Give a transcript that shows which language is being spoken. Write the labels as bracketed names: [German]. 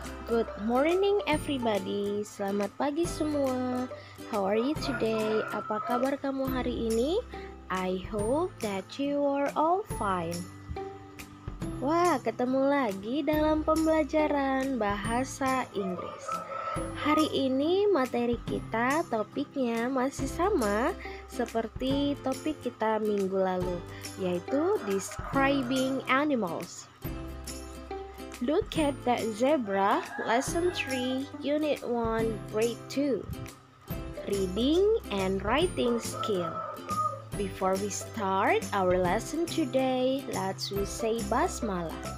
[English] Good morning everybody. [Indonesian] Selamat pagi semua. [English] How are you today? [Indonesian] Apa kabar kamu hari ini? [English] I hope that you are all fine. [Indonesian] Wah, ketemu lagi dalam pembelajaran bahasa Inggris. Hari ini materi kita topiknya masih sama seperti topik kita minggu lalu, yaitu [English] describing animals. Look at that zebra, lesson 3, unit 1, grade 2. Reading and writing skill. Before we start our lesson today, let's we say basmalah.